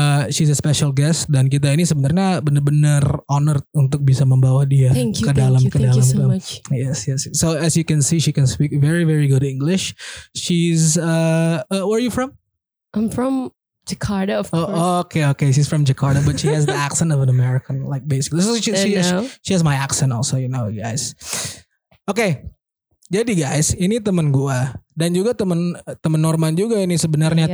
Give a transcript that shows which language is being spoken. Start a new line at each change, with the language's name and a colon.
Indonesian: She's a special guest, dan kita ini sebenarnya benar-benar honored untuk bisa membawa dia
English: thank you so much. Yes. So as you can see, she can speak very very good English. She's where are you from? I'm from Jakarta, of course. Oh, okay. She's from Jakarta, but she has the accent of an American, like basically. So she has my accent also, you know, guys. Okay.
Indonesian: Jadi guys, ini teman gua dan juga teman Norman juga ini sebenarnya, yeah.